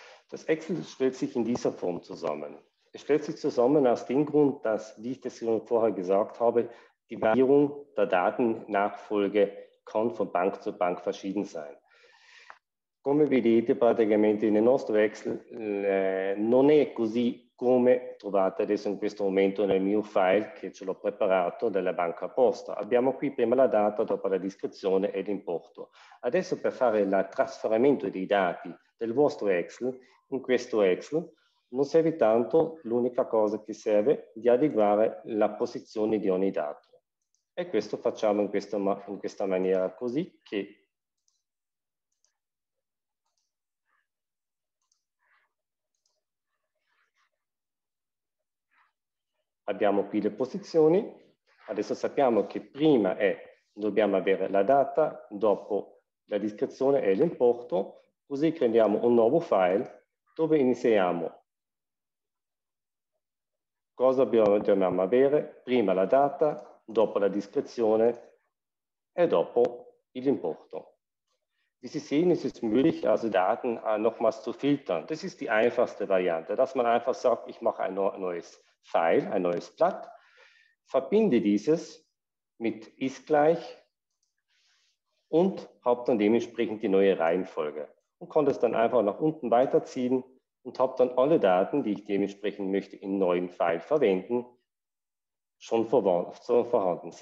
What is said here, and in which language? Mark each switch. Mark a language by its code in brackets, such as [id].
[de] Das Excel stellt sich in dieser Form zusammen. Es stellt sich zusammen aus dem Grund, dass, wie ich das vorher gesagt habe, die Variierung der Datennachfolge kann von Bank zu Bank verschieden sein. [it] Come vedete, praticamente nel nostro Excel non è così come trovate adesso in questo momento nel mio file che ce l'ho preparato della banca posta. Abbiamo qui prima la data, dopo la descrizione e l'importo. Adesso per fare il trasferimento dei dati del vostro Excel in questo Excel, non serve tanto, l'unica cosa che serve è di adeguare la posizione di ogni dato. E questo facciamo in questa maniera così che... Abbiamo qui le posizioni, adesso sappiamo che prima dobbiamo avere la data, dopo la descrizione e l'importo, così creiamo un nuovo file dove iniziamo. Cosa dobbiamo avere? Prima la data, dopo la descrizione e dopo l'importo. [de] Wie Sie sehen, ist es möglich, also Daten nochmals zu filtern. Das ist die einfachste Variante, dass man einfach sagt, ich mache ein neues File, ein neues Blatt, verbinde dieses mit ist gleich und habe dann dementsprechend die neue Reihenfolge und kann das dann einfach nach unten weiterziehen und habe dann alle Daten, die ich dementsprechend möchte, in neuen File verwenden, schon vorhanden.